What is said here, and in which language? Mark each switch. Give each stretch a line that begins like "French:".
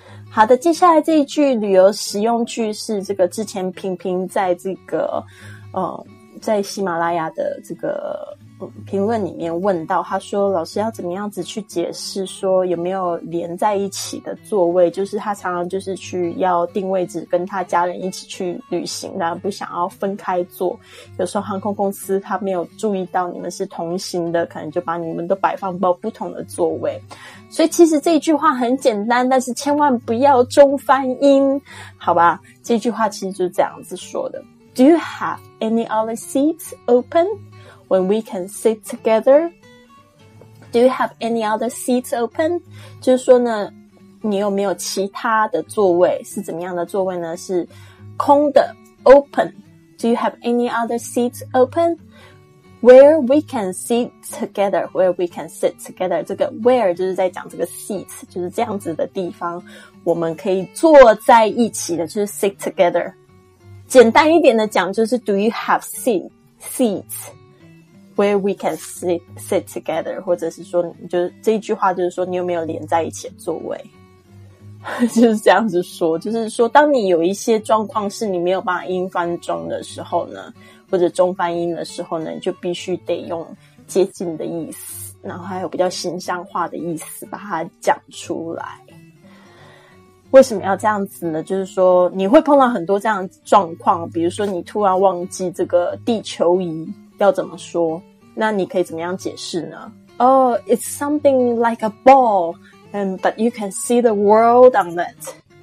Chinese: 好的，接下来这一句旅游实用句是这个之前平平在这个在喜马拉雅的这个评论里面问到，他说老师要怎么样子去解释说有没有连在一起的座位，就是他常常就是去要订位置跟他家人一起去旅行，然后不想要分开坐，有时候航空公司他没有注意到你们是同行的，可能就把你们都摆放到不同的座位。所以其实这句话很简单，但是千万不要中翻英，好吧，这句话其实就是这样子说的。
English: Do you have any other seats open? When we can sit together, do you have any other seats open?
Chinese: 就是说呢，你有没有其他的座位？是怎么样的座位呢？是空的 ，open.
English: Do you have any other seats open? Where we can sit together, where we can sit together.
Chinese: 这个 where 就是在讲这个 seats， 就是这样子的地方，我们可以坐在一起的，就是
English: sit together.
Chinese: 简单一点的讲，就是
English: do you have seats? Where we can sit together，
Chinese: 或者是说就这一句话就是说你有没有连在一起的座位就是这样子说，就是说当你有一些状况是你没有办法英翻中的时候呢，或者中翻英的时候呢，你就必须得用接近的意思，然后还有比较形象化的意思把它讲出来。为什么要这样子呢？就是说你会碰到很多这样的状况，比如说你突然忘记这个地球仪要怎么说，那你可以怎么样解释呢？
English: Oh, it's something like a ball, but you can see the world on it.